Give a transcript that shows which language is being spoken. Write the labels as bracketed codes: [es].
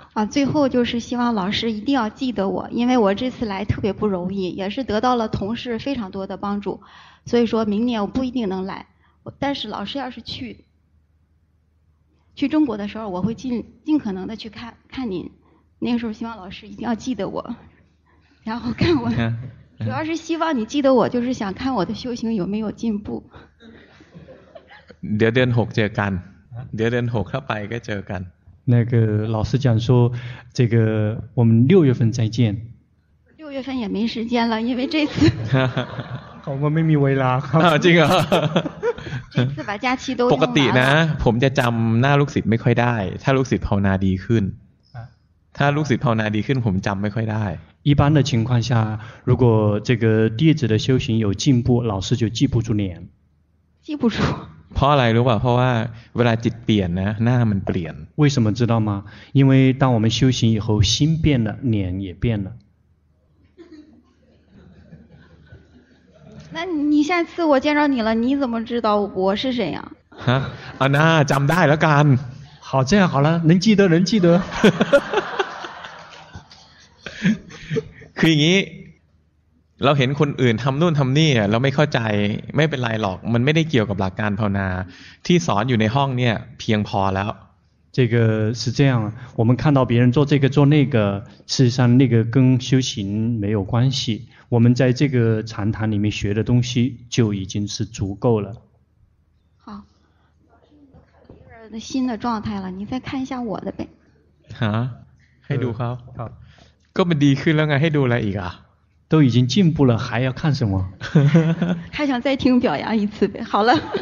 [zh] 最后就是希望老师一定要记得我因为我这次来特别不容易也是得到了同事非常多的帮助所以说明年我不一定能来但是老师要是去中国的时候我会尽可能的去看您那个时候希望老师一定要记得我然后看我主要是希望你记得我就是想看我的修行有没有进步 [th] เดี๋ยวเดือน6เจอกันเดี๋ยวเดือน6ถ้าไปก็เจอกัน [zh] 那个老师讲说这个我们6月份再见 6月份也没时间了因为这次我们 [th] ไม่มีเวลาครับ จริงเหร [zh] อ这次把假期都 [th] ปกตินะผมจะจำหน้าลูกศิษย์ไม่ค่อยได้ถ้าลูกศิษย์ภาวนาดีขึ้นถ้าลูกศิษย์ภาวนาดีขึ้นผมจำไม่ค่อยได้ [zh] 一般的情况下如果这个弟子的修行有进步老师就记不住脸记不住 [th] เพราะอะไรรู้ป่ะเพราะว่าเวลาจิตเปลี่ยนนะหน้ามันเปลี่ยน [zh] 为什么知道吗因为当我们修行以后心变了脸也变了那你下次我见着你了你怎么知道我是谁呀 [th] 啊那จำได้แล้วกัน [zh] 好这样好了能记得能记得 [th] คืออย่างนี้เราเห็นคนอื่นทำนู่นทำนี่เราไม่เข้าใจไม่เป็นไรหรอกมันไม่ได้เกี่ยวกับหลักการภาวนาที่สอนอยู่ในห้องเนี่ยเพียงพอแล้ว [zh] 这个是这样我们看到别人做这个做那个事实上那个跟修行没有关系我们在这个禅堂里面学的东西就已经是足够了好老师你看别人的新的状态了你再看一下我的呗 [th] 啊ให้ดูเขา ครับ ก็มันดีขึ้นแล้วไงให้ดูอะไรอีกอ่ะ [zh] 都已经进步了还要看什么还想再听表扬一次呗好了